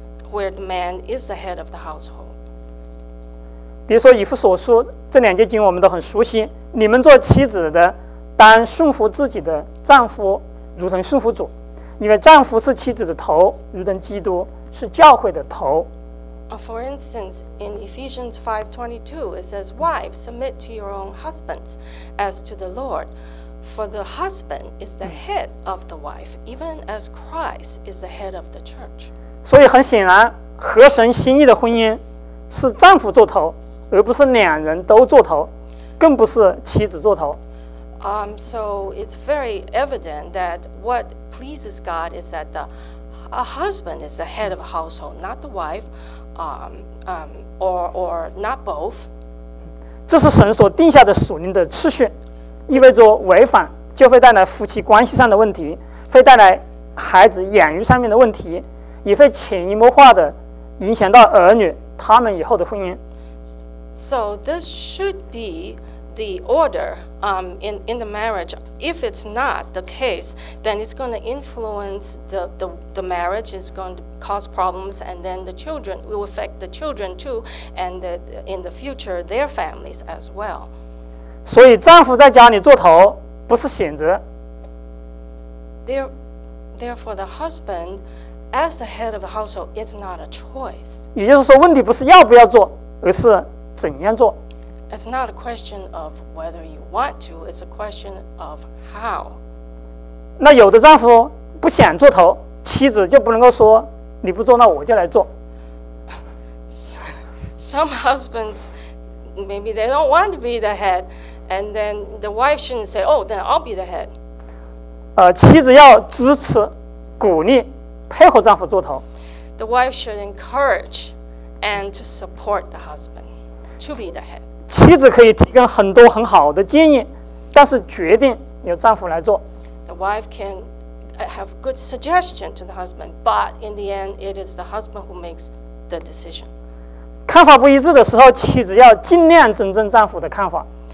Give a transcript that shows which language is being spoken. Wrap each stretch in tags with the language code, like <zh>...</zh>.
<en>where the man is the head of the household.</en> <zh>比如说以弗所书这两节经我们都很熟悉，你们做妻子的当顺服自己的丈夫如同顺服主，因为丈夫是妻子的头，如同基督是教会的头。</zh> <en>For instance, in Ephesians 5:22, it says, "Wives, submit to your own husbands, as to the Lord. For the husband is the head of the wife, even as Christ is the head of the church."</en> <zh>所以很显然，合神心意的婚姻是丈夫做头，而不是两人都做头，更不是妻子做头。</zh> <en>So it's very evident that what pleases God is that a husband is the head of a household, not the wife, or not both.</en> <zh>这是神所定下的属灵的次序，意味着违反就会带来夫妻关系上的问题，会带来孩子养育上面的问题，也会潜移默化的影响到儿女他们以后的婚姻。</zh> <en>So this should be the order in the marriage. If it's not the case, then it's going to influence the marriage, it's going to cause problems, and then the children will affect the children too, and in the future their families as well.</en> <zh>所以丈夫在家里做头不是选择。</zh> <en>Therefore, the husband as the head of the household is not a choice.</en> <zh>也就是说，问题不是要不要做，而是怎样做。</zh> <en>It's not a question of whether you want to, it's a question of how.</en> <zh>那有的丈夫不想做头，妻子就不能够说，你不做，那我就来做。</zh> <en>Some husbands, maybe they don't want to be the head, and then the wife shouldn't say, oh, then I'll be the head.</en> <zh>妻子要支持、鼓励、配合丈夫做头。</zh> <en>The wife should encourage and to support the husband to be the head.</en> <zh>妻子可以提供很多很好的建议，但是决定由丈夫来做。</zh> <en>The wife can have good suggestion to the husband, but in the end, it is the husband who makes the decision.</en> <zh>看法不一致的时候，妻子要尽量尊重丈夫的看法。</zh>